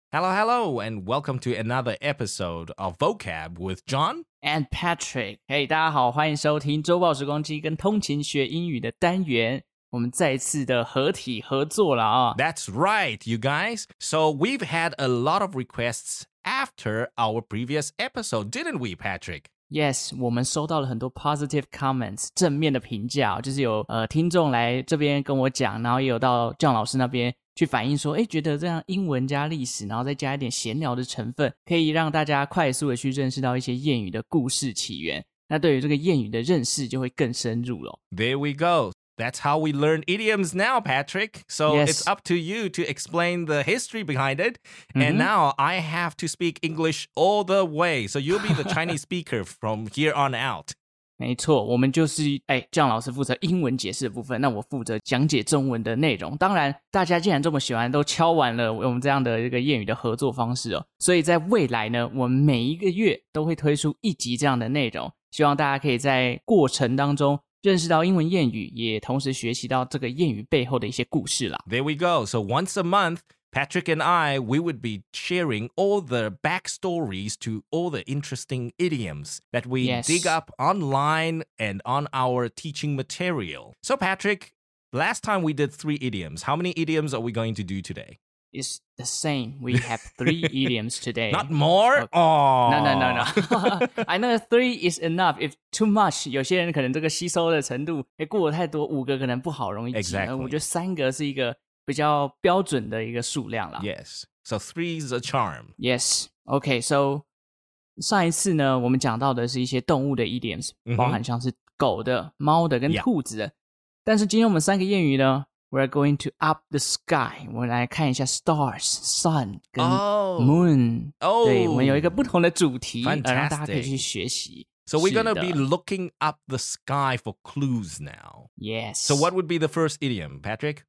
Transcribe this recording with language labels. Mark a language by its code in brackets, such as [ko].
[en] Hello, hello, and welcome to another episode of Vocab with John and Patrick. [zh] Hey, 大家好，欢迎收听周报时光机跟通勤学英语的单元。我们再一次的合体合作了啊。 [en] That's right, you guys. So we've had a lot of requests after our previous episode, didn't we, Patrick? [zh] Yes, 我们收到了很多 [en] positive comments, [zh] 正面的评价，就是有听众来这边跟我讲，然后也有到John老师那边去反映说，诶，觉得这样英文加历史，然后再加一点闲聊的成分，可以让大家快速的去认识到一些谚语的故事起源，那对于这个谚语的认识就会更深入了。 [en] There we go. That's how we learn idioms now, Patrick. So Yes. It's up to you to explain the history behind it. And now I have to speak English all the way. So you'll be the Chinese speaker from here on out. [zh] 没错，我们就是John老师负责英文解释的部分，那我负责讲解中文的内容。当然，大家既然这么喜欢，都敲完了我们这样的一个谚语的合作方式哦。所以在未来呢，我们每一个月都会推出一集这样的内容，希望大家可以在过程当中认识到英文谚语，也同时学习到这个谚语背后的一些故事啦。 [en] There we go. So once a month, Patrick and I, we would be sharing all the backstories to all the interesting idioms that we Yes. dig up online and on our teaching material. So Patrick, last time we did three idioms. How many idioms are we going to do today? It's the same. We have three idioms today. Not more? Okay. Oh. No. I know three is enough. If too much, [zh] 有些人可能这个吸收的程度过得太多，五个可能不好容易 [en] 记。Exactly. [zh] 我觉得三个是一个比较标准的一个数量啦。 [en] Yes. So three is a charm. Yes. Okay, so [zh] 上一次呢，我们讲到的是一些动物的 idioms,、 mm-hmm. 包含像是狗的、猫的跟兔子的。 [en] Yeah. [zh] 但是今天我们三个谚语呢， [en] We're going to up the sky. [zh] 我们来看一下 stars, sun, 跟 moon. Oh, oh, 对，我们有一个不同的主题、 [en] Fantastic. [zh] 让大家可以去学习。 [en] So we're going to be looking up the sky for clues now. Yes. So what would be the first idiom, Patrick?